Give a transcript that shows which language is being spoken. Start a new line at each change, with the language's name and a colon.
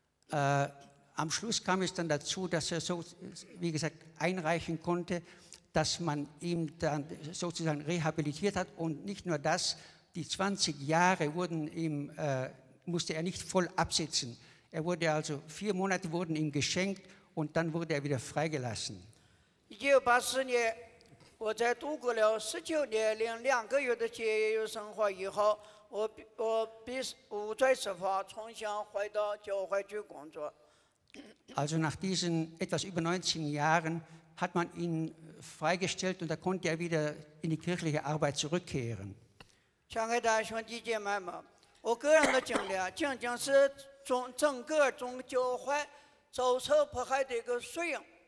German: Am Schluss kam es dann dazu, dass er so, wie gesagt, einreichen konnte, dass man ihn dann sozusagen rehabilitiert hat und nicht nur das, die 20 Jahre wurden ihm, musste er nicht voll absitzen. Er wurde also 4 Monate wurden ihm geschenkt und dann wurde er wieder freigelassen.
Chinese: 1984年，我在度过了19年两个月的戒严生活以后，我被无罪释放，重新回到教会去工作。
German: Also nach diesen etwas über 19 Jahren hat man ihn freigestellt und da konnte er wieder in die kirchliche Arbeit zurückkehren.
Chinese: 亲爱的兄弟姐妹们，我个人的经历，仅仅是整个宗教会走出迫害的一个缩影。